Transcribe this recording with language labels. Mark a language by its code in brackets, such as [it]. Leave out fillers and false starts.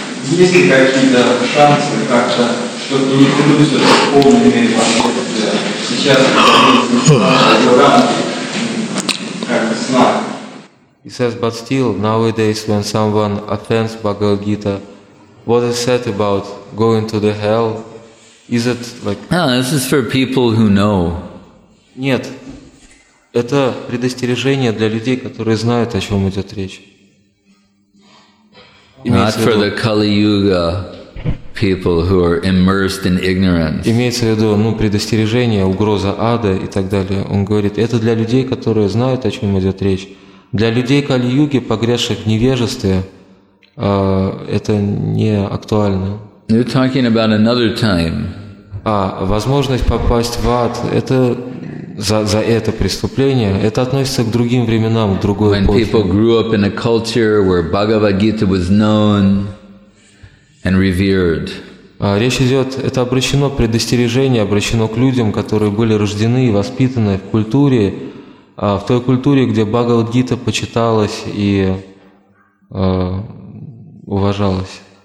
[ru] Есть ли какие-то шансы как-то, чтобы не вернуться в полной мере сейчас в рамки как бы сна? [en] He says, but still, nowadays when someone offends Bhagavad Gita, what is said about going to the hell? Is it like... No, this is for people who know. [ru] Нет, это предостережение для людей, которые знают, о чем идет речь. [en] Not for the Kali Yuga people who are immersed in ignorance. [ru] Имеется в виду, ну, предостережение, угроза ада и так далее. Он говорит, это для людей, которые знают, о чем идет речь. Для людей Кали-юги, погрязших в невежестве, это не актуально. [en] You're talking about another time. [ru] А возможность попасть в ад, это за это преступление, это относится к другим временам, к другой эпохе. [en] When people grew up in a culture where Bhagavad Gita was known and revered. [ru] Речь идет, это обращено предостережение, обращено к людям, которые были рождены и воспитаны в культуре. В той культуре, где Бхагавад-гита почиталась и уважалась.